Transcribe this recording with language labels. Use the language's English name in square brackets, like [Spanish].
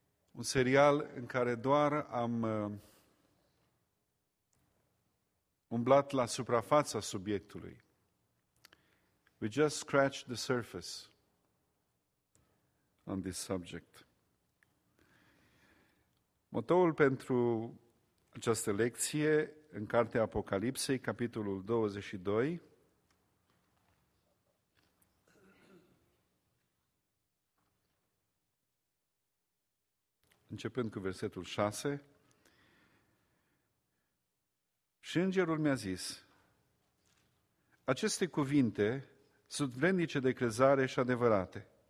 [Romanian] Un serial în care doar am umblat la suprafața subiectului. [English] We just scratched the surface on this subject. [Romanian] Motoul pentru această lecție în Cartea Apocalipsei, capitolul 22, începând cu versetul 6, și îngerul mi-a zis: aceste cuvinte sunt vrednice de crezare și adevărate.